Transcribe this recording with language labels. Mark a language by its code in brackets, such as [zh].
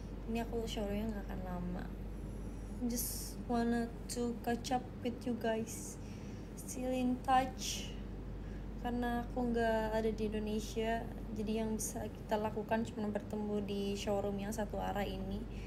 [id] Ini aku showroomnya gak akan lama. [en] Just wanna to catch up with you guys. Still in touch. [id] Karena aku gak ada di Indonesia. Jadi yang bisa kita lakukan cuma bertemu di showroom yang satu arah ini.